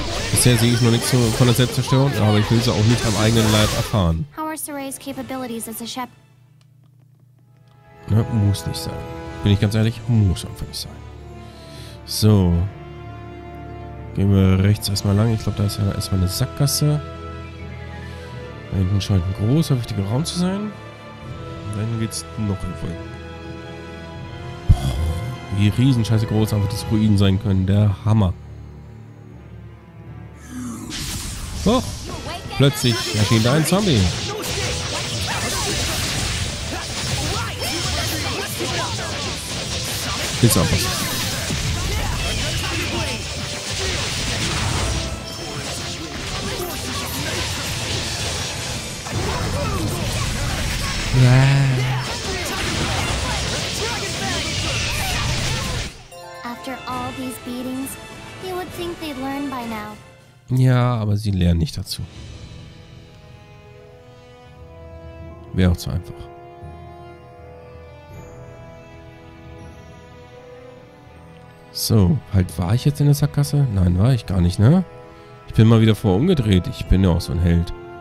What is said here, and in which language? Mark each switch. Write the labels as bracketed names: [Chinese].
[German] Bisher sehe ich noch nichts von der Selbstzerstörung, aber ich will sie auch nicht am eigenen Leib erfahren. [English] How are Sarai's capabilities as a shep? [German] Na, muss nicht sein. Bin ich ganz ehrlich, muss einfach nicht sein. So. Gehen wir rechts erstmal lang. Ich glaube, da ist ja erstmal eine Sackgasse. Da hinten scheint ein großer, wichtiger Raum zu sein. Und dann geht's noch in Folge. Wie riesenscheiße groß einfach das Ruin sein können. Der Hammer. Oh, plötzlich erschien da ein Zombie. Ist einfach so. [English] After all these beatings, you would think they'd learn by now. [German] Ja, aber sie lernen nicht dazu. Wäre auch zu einfach. So, halt, war ich jetzt in der Sackgasse? Nein, war ich gar nicht, ne? Ich bin mal wieder vorher umgedreht. Ich bin ja auch so ein Held.